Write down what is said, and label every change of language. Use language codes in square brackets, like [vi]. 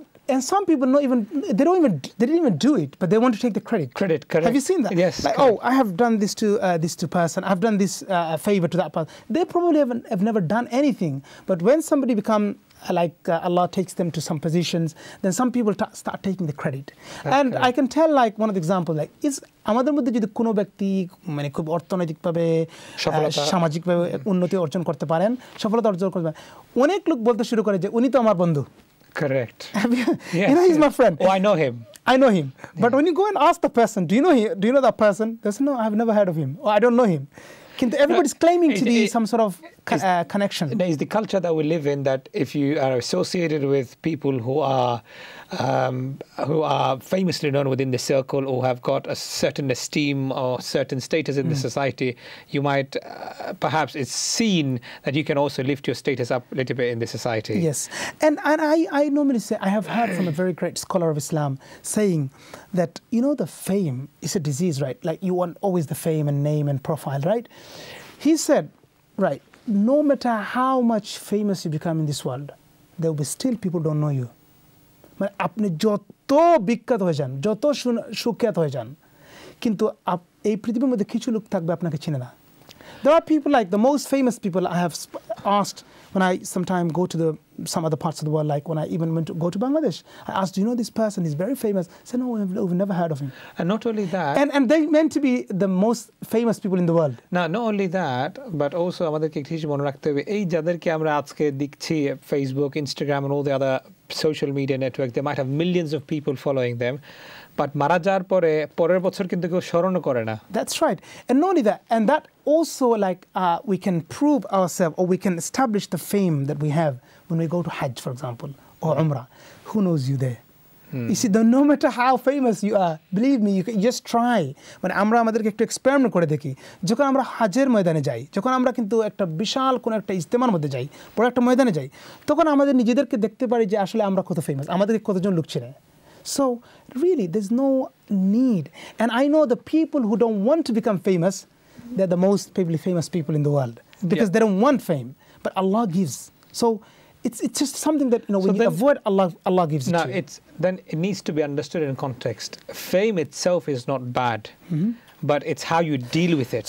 [en] And some people didn't even do it, but they want to take the credit. Credit, correct. Have you seen that? Yes. Like, I have done this to this person. I've done this favor to that person. They probably have never done anything. But when somebody become like Allah takes them to some positions, then some people start taking the credit. Okay. And I can tell, like, one of the examples, like, is [bn] আমাদের মধ্যে যদি কোনো ব্যক্তি মানে খুব অর্থনৈতিকভাবে সামাজিকভাবে উন্নতি অর্জন করতে পারেন, সফলতা অর্জন করতে পারেন, অনেক লোক বলতে শুরু করে যে উনি তো আমার বন্ধু. [en] Correct. You know, he's my friend. Oh, I know him. I know him. Yeah. But when you go and ask the person, do you know that person? They say, no, I've never heard of him. Or I don't know him. Everybody's claiming to be some sort of connection. It's the culture that we live in, that if you are associated with people who are famously known within the circle, or have got a certain esteem or certain status in the society, you might, perhaps it's seen that you can also lift your status up a little bit in the society. Yes. And I normally say, I have heard from a very great scholar of Islam saying that, you know, the fame is a disease, right? Like, you want always the fame and name and profile, right? He said, right, no matter how much famous you become in this world, there will be still people don't know you. [bn] মানে আপনি যত বিখ্যাত হয়ে যান, যত সুখ্যাত হয়ে যান, কিন্তু এই পৃথিবীর মধ্যে কিছু লোক থাকবে আপনাকে চিনে না. [en] There are people like the most famous people I have asked when I sometime go to some other parts of the world, like when I even went to go to Bangladesh. I asked, do you know this person? He's very famous. I said, no, we've never heard of him. And not only that. And they meant to be the most famous people in the world. Now, not only that, but also, [bn] আমাদেরকে একটু মনে রাখতে হবে, এই যাদেরকে আমরা আজকে দেখছি [en] Facebook, Instagram, and all the other social media network, they might have millions of people following them. [bn] But মারা যাওয়ার পরে পরের বছর কিন্তু কেউ স্মরণ করে না. [en] That's right. And not only that, and that also, like, we can prove ourselves, or we can establish the fame that we have when we go to Hajj, for example, or Umrah. Who knows you there? You see, though, no matter how famous you are, believe me, you can just try. [bn] মানে আমরা আমাদেরকে একটু experiment করে দেখি. যখন আমরা হাজের ময়দানে যাই, যখন আমরা কিন্তু একটা বিশাল কোনো একটা ইজতেমার মধ্যে যাই, বড় একটা ময়দানে যাই, তখন আমাদের নিজেদেরকে দেখতে পারি যে আসলে আমরা কত ফেমাস, আমাদেরকে কতজন লোক চেনে. [en] So really, there's no need. And I know the people who don't want to become famous, they're the most probably famous people in the world, because they don't want fame. But Allah gives. So it's just something that, you know, when you avoid, Allah gives it to you. Then it needs to be understood in context. Fame itself is not bad, but it's how you deal with it,